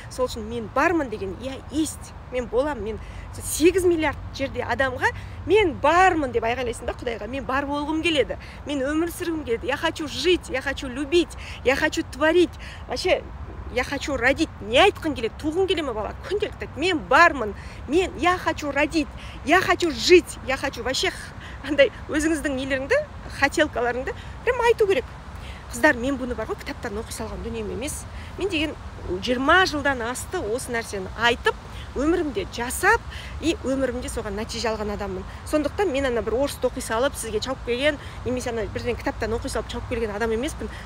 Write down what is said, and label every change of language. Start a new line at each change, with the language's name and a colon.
Kazakh: Сол үшін мен бармын деген,
Russian: я есть,
Kazakh: мен боламын, мен 8 миллиард жерде адамға мен бармын деп айғайлайсың да Құдайға. Мен бар болғым келеді, мен өмір сүргім келеді.
Russian: Я хочу жить, я хочу любить, я хочу творить. Вообще, я хочу родить.
Kazakh: Не айтқың келеді, туғың келе ме бала? Күнделікті. Мен бармын, мен
Russian: я хочу родить, я хочу жить, я хочу вообще.
Kazakh: Андай өзіңіздің нелеріңді, хотелкаларыңды
Russian: прямо
Kazakh: айту керек. Қыздар, мен бұны бар ғой, кітаптан оқи салған дүнием емес. Мен деген 20 жылдан асты осы нәрсені айтып, өмірімде жасап, и өмірімде соған нәтиже алған адаммын. Сондықтан мен ана бір орыс оқи салып, сізге шауып келген, немесе ана бірден кітаптан оқи салып шауып келген адам емеспін.